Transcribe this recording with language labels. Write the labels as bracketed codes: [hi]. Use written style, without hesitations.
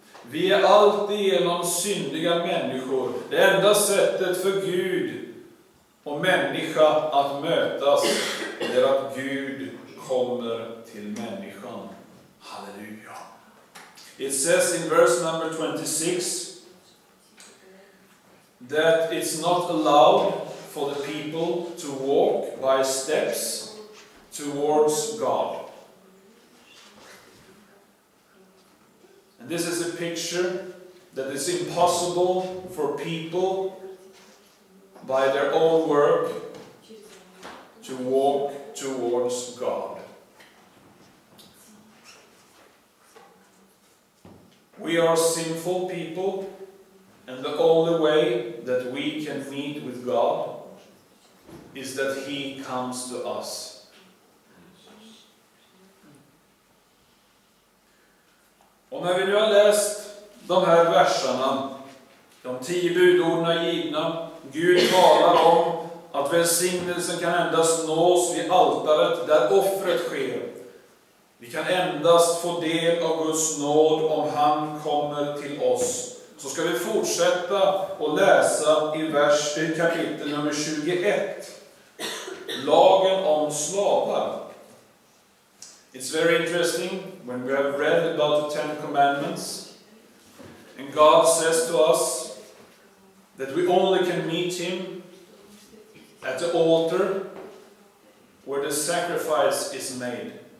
[sv] Vi är alltigenom syndiga människor. Det enda sättet för Gud och människa att mötas är att Gud kommer till människan. Halleluja. [en] It says in verse number 26, that it's not allowed for the people to walk by steps towards God. And this is a picture that is impossible for people by their own work to walk towards God. We are sinful people, and the only way that we can meet with God is that He comes to us. [sv] Och när vi nu har läst de här verserna, de 10 budorden är givna, Gud talar om att välsignelsen kan endast nås vid altaret där offret sker. Vi kan endast få del av Guds nåd om han kommer till oss. Så ska vi fortsätta och läsa i vers i kapitel nummer 21. Lagen om slavar. [en] It's very interesting when we have read about the Ten Commandments. And God says to us that we only can meet him at the altar where the sacrifice is made.